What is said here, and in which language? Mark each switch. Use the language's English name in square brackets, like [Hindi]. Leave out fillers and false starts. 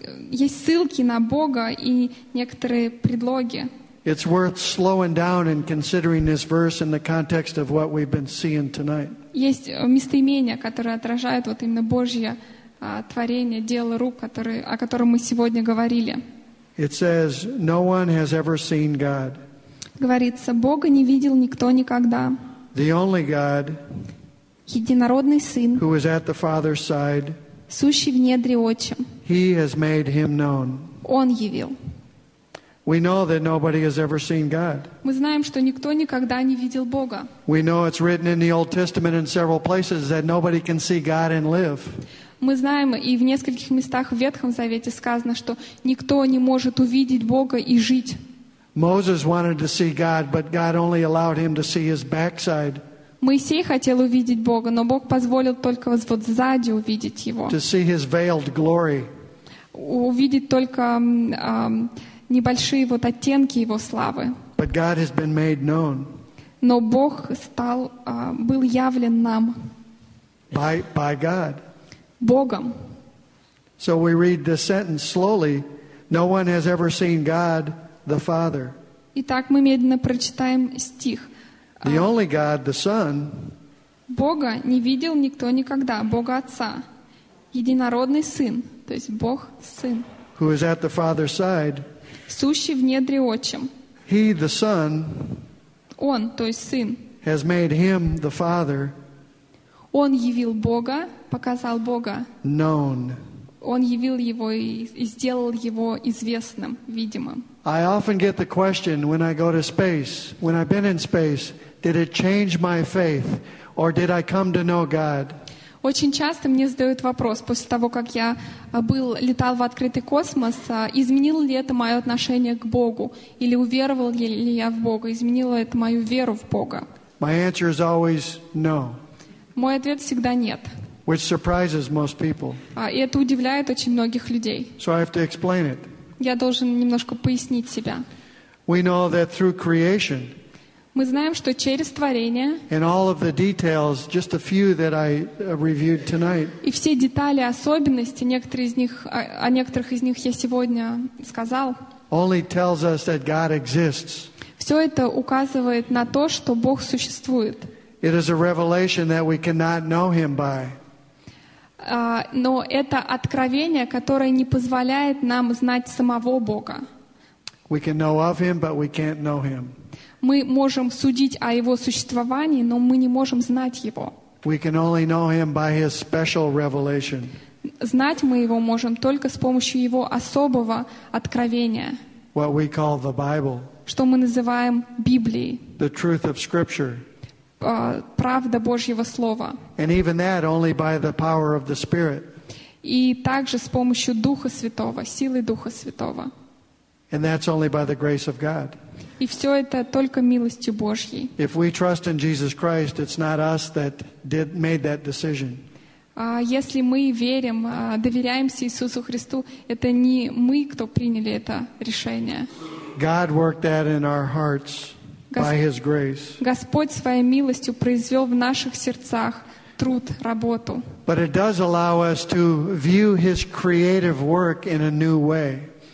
[Russian] Есть ссылки на Бога и некоторые предлоги. [English] It's worth slowing down and considering this verse in the context of what we've been seeing tonight. [Russian] Есть местоимения, которые отражают вот именно Божье творение, дело рук, о котором мы сегодня говорили. [English] It says, "No one has ever seen God." [Russian] Говорится, Бога не видел никто никогда. [English] The only God. [Russian] Единородный Сын. [English] Who is at the Father's side. [Russian] Сущий в недре Отчим. [English] He has made him known. [Russian] Он явил. [English] We know that nobody has ever seen God. [Russian] Мы знаем, что никто никогда не видел Бога. [English] We know it's written in the Old Testament in several places that nobody can see God and live. [Russian] Мы знаем, и в нескольких местах в Ветхом Завете сказано, что никто не может увидеть Бога и жить. [English] Moses wanted to see God, but God only allowed him to see his backside. [Russian] Моисей хотел увидеть Бога, но Бог позволил только вот сзади увидеть его. [English] To see his veiled glory. [Russian] Увидеть только небольшие вот оттенки его славы. [English] But God has been made known. [Russian] Но Бог стал был явлен нам. [English] By God. [Russian] Богом. [English] So we read this sentence slowly. No one has ever seen God, the Father. [Russian] Итак, мы медленно прочитаем стих. [English] The only God, the Son. [Russian] Бога не видел никто никогда, Бога Отца. Единородный Сын, то есть Бог Сын. [English] Who is at the Father's side. [Russian] Сущий в недре Отчим. [English] He, the Son. [Russian] Он, то есть Сын. [English] Has made him, the Father. [Russian] Он явил Бога, показал Бога. [English] Known. [Russian] Он явил его и сделал его известным, видимым. [English] I often get the question when I go to space, when I've been in space, did it change my faith or did I come to know God? [Russian] Очень часто мне задают вопрос, после того, как я летал в открытый космос, изменило ли это мое отношение к Богу? Или уверовал ли я в Бога? Изменило это мою веру в Бога? [English] My answer is always no. [Russian] Мой ответ всегда нет. [English] Which surprises most people. [Russian] И это удивляет очень многих людей. [English] So I have to explain it. [Russian] Я должен немножко пояснить себя. [English] We know that through creation, [Russian] Мы знаем, что через творение. [English] And all of the details, just a few that I reviewed tonight. [Russian] И все детали, особенности, некоторые из них, о некоторых из них я сегодня сказал. [English] Only tells us that God exists. [Russian] Все это указывает на то, что Бог существует. [English] It is a revelation that we cannot know Him by. [Russian] Но это откровение, которое не позволяет нам знать самого Бога. [English] We can know of Him, but we can't know Him. [Russian] Мы можем судить о Его существовании, но мы не можем знать Его. [English] We can only know Him by His special revelation. [Russian] Знать мы Его можем только с помощью Его особого откровения. [English] What we call the Bible. [Russian] Что мы называем Библией. [English] The truth of Scripture. [Russian] Правда Божьего Слова. [English] And even that only by the power of the Spirit. [Russian] И также с помощью Духа Святого, силы Духа Святого. [English] And that's only by the grace of God. [Russian] И все это только милостью Божьей. [English] If we trust in Jesus Christ, it's not us that made that decision. [Russian] Если мы верим, доверяемся Иисусу Христу, это не мы, кто приняли это решение. [English] God worked that in our hearts. By His grace. [Russian] Господь своей милостью произвел в наших сердцах труд, работу. [English] But it does allow us to view His creative work in a new way.